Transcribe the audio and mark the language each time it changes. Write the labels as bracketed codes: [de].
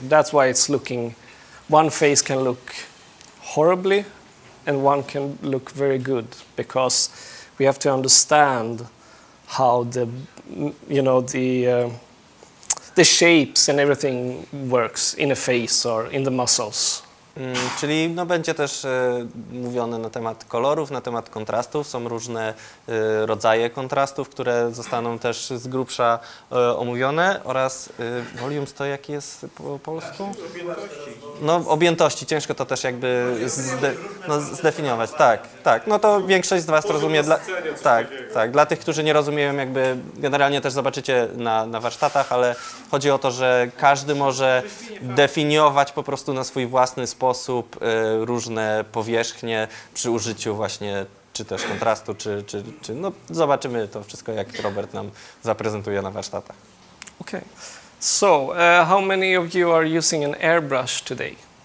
[en] That's why it's looking, one face can look horribly and one can look very good, because we have to understand how the, you know, the shapes and everything works in a face or in the muscles. [pl] Czyli no, będzie też mówione na temat kolorów, na temat kontrastów. Są różne rodzaje kontrastów, które zostaną też z grubsza omówione. Oraz volumes to jaki jest po polsku? No, objętości. Ciężko to też jakby zdefiniować. Tak, tak. No to większość z was rozumie. Dla tych, którzy nie rozumieją, jakby generalnie też zobaczycie na warsztatach, ale chodzi o to, że każdy może definiować po prostu na swój własny sposób różne powierzchnie przy użyciu właśnie czy też kontrastu, czy no zobaczymy to wszystko, jak Robert nam zaprezentuje na warsztatach. [en] Okay, so how many of you are using an airbrush today?